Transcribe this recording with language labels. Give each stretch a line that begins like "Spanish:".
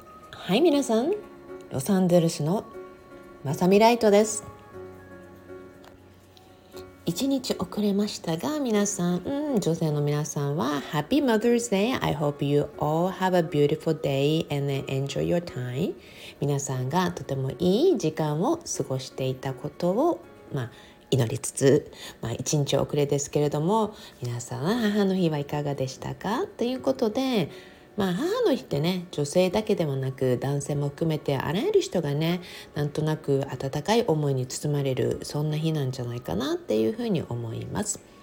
Japanese: はい、皆さん、ロサンゼルスのまさみライトです。一日遅れましたが、皆さん、女性の皆さんは
English: Happy Mother's Day! I hope you all have a beautiful day and enjoy your time.
Japanese: 皆さんがとてもいい時間を過ごしていたことを、まあ、祈りつつ、まあ、一日遅れですけれども、皆さんは母の日はいかがでしたか？ということで、まあ、母の日ってね、女性だけでもなく男性も含めてあらゆる人がね、なんとなく温かい思いに包まれる、そんな日なんじゃないかなっていうふうに思います。